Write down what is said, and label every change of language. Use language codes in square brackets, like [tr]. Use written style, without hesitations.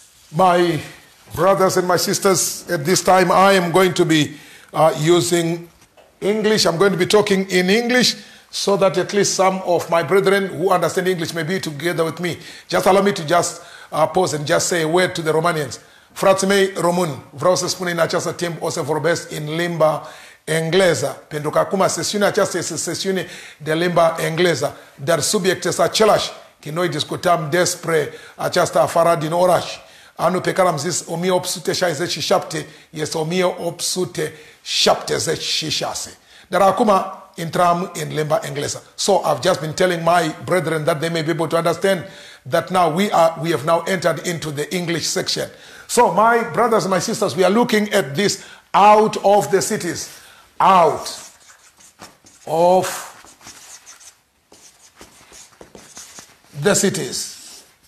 [en] My brothers and my sisters, at this time I am going to be using English. I'm going to be talking in English so that at least some of my brethren who understand English may be together with me. Just allow me to just pause and just say a word to the Romanians. [ro] Frații mei români, vreau să spun în această timp o să vorbesc în limba engleză, pentru că acum sesiunea aceasta este sesiune de limba engleză, dar subiectul este același, că noi discutăm despre această afară din oraș. Anul pe care am zis 1867 este 1876. Dar acum intrăm în limba engleză. [en] So I've just been telling my brethren that they may be able to understand that now we have now entered into the English section. So my brothers and my sisters, we are looking at this out of the cities. Out of the cities.